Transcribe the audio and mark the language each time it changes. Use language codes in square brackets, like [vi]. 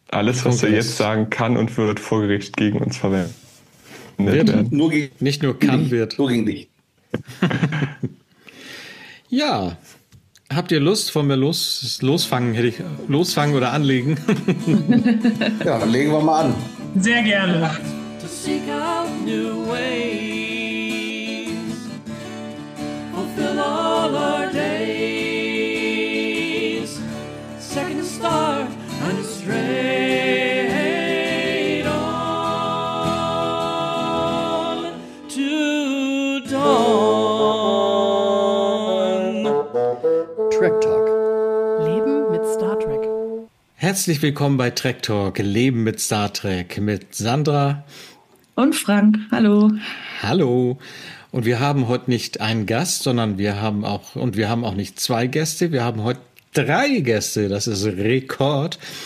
[de] Alles, was er jetzt sagen kann und wird vor Gericht gegen uns verwendet werden. Nur gegen, nicht nur kann, dich, wird. Nur gegen dich. Ja, habt ihr Lust, wollen wir losfangen, hätte ich losfangen oder anlegen? Ja, legen wir mal an. Sehr gerne. [en] To seek out new ways, fulfill all our days, second star and straight on to dawn. [de] Trek Talk. Leben mit Star Trek. Herzlich willkommen bei Trek Talk, Leben mit Star Trek, mit Sandra und Frank. Hallo. Hallo. Und wir haben heute nicht einen Gast, sondern wir haben auch nicht zwei Gäste. Wir haben heute drei Gäste. Das ist Rekord.